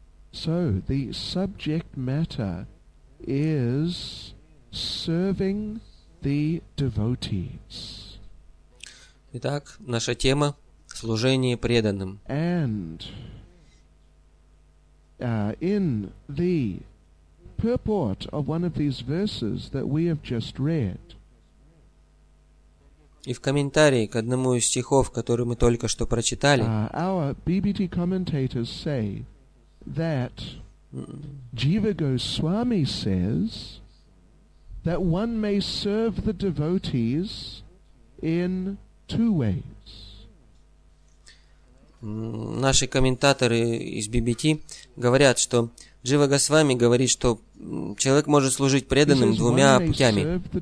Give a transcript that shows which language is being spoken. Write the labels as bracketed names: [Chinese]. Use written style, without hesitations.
[English] So, the subject matter is serving the devotees. [Russian] Итак, наша тема – служение преданным. [English] And in the purport of one of these verses that we have just read. [Russian] И в комментарии к одному из стихов, который мы только что прочитали, [English] our BBT commentators say that Jiva Goswami says that one may serve the devotees in two ways. [Russian] Наши комментаторы из BBT говорят, что Джива Госвами говорит, что человек может служить преданным двумя путями.